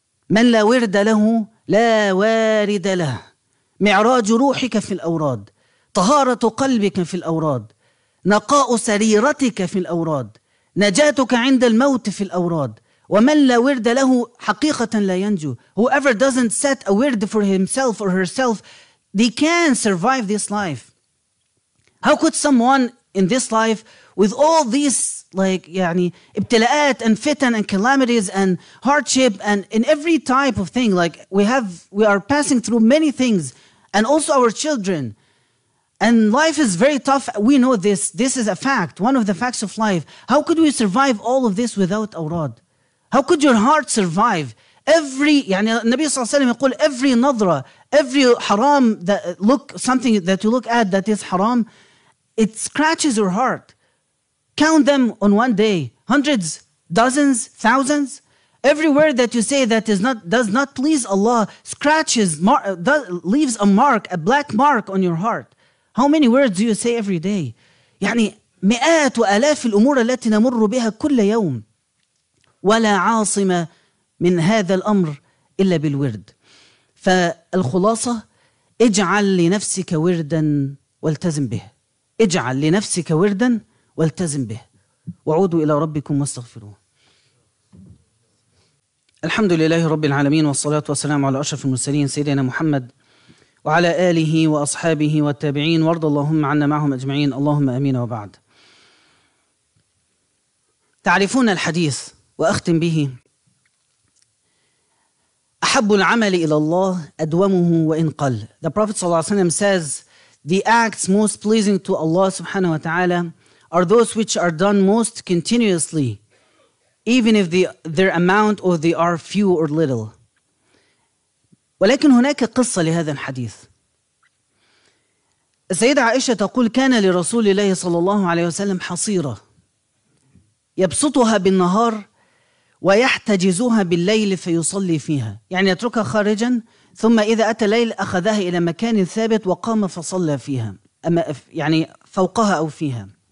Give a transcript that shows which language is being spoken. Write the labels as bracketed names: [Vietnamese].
[Arabic] من لا ورد له لا وارد له. معراج روحك في الأوراد، طهارة قلبك في الأوراد، نقاء سريرتك في الأوراد، نجاتك عند الموت في الأوراد. ومن لا ورد له حقيقة لا ينجو. [English] Whoever doesn't set a word for himself or herself, they can survive this life. How could someone in this life with all these like [Arabic] يعني ابتلاءات [English] and fitan and calamities and hardship and in every type of thing, like we are passing through many things, and also our children, and life is very tough. We know this. This is a fact, one of the facts of life. How could we survive all of this without awrad? How could your heart survive? Every [Arabic] يعني النبي صلى الله عليه وسلم يقول [English] every نظرة, every haram that look something that you look at that is haram, it scratches your heart. Count them on one day, hundreds, dozens, thousands. Every word that you say that is not does not please Allah scratches leaves a mark, a black mark on your heart. How many words do you say every day? [Arabic] يعني مئات وآلاف الأمور التي نمر بها كل يوم. ولا عاصمة من هذا الأمر إلا بالورد. فالخلاصة اجعل لنفسك وردا والتزم به. اجعل لنفسك وردا والتزم به. وعودوا إلى ربكم واستغفروه. الحمد لله رب العالمين، والصلاة والسلام على أشرف المرسلين سيدنا محمد وعلى آله وأصحابه والتابعين، وارض اللهم عنا معهم أجمعين، اللهم أمين. وبعد، تعرفون الحديث وأختم به، أحب العمل إلى الله أدومه وإن قل. [English] The Prophet [Arabic] صلى الله عليه وسلم [English] says the acts most pleasing to Allah [Arabic] سبحانه وتعالى [English] are those which are done most continuously, even if their amount or they are few or little. [Arabic] ولكن هناك قصة لهذا الحديث. السيدة عائشة تقول كان لرسول الله صلى الله عليه وسلم حصيرة يبسطها بالنهار ويحتجزها بالليل فيصلي فيها، يعني يتركها خارجا ثم إذا أتى الليل أخذها إلى مكان ثابت وقام فصلى فيها، أما يعني فوقها أو فيها.